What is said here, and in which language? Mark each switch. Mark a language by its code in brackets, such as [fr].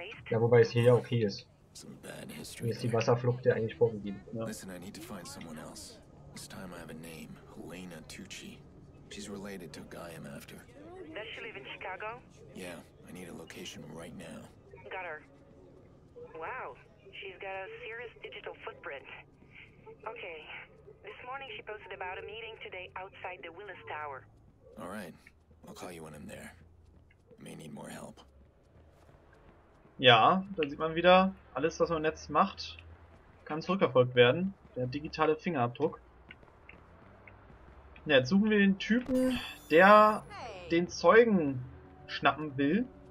[de] Ja, wobei es hier ja okay ist. Mir ist die Wasserflucht ja eigentlich vorgegeben. Ja. [en] Listen, I need to find someone else. This time I have a name. Helena Tucci. She's related to a guy I'm after. Does she live in Chicago? Yeah, I need a location right now. Got her. Wow, she's got a serious digital footprint. Okay, this morning she posted about a meeting today outside the Willis Tower. All right, I'll call you when I'm there. May need more help. [de] Ja, da sieht man wieder, alles was man im Netz macht, kann zurückverfolgt werden. Der digitale Fingerabdruck. Ja, jetzt suchen wir den Typen, der den Zeugen schnappen will.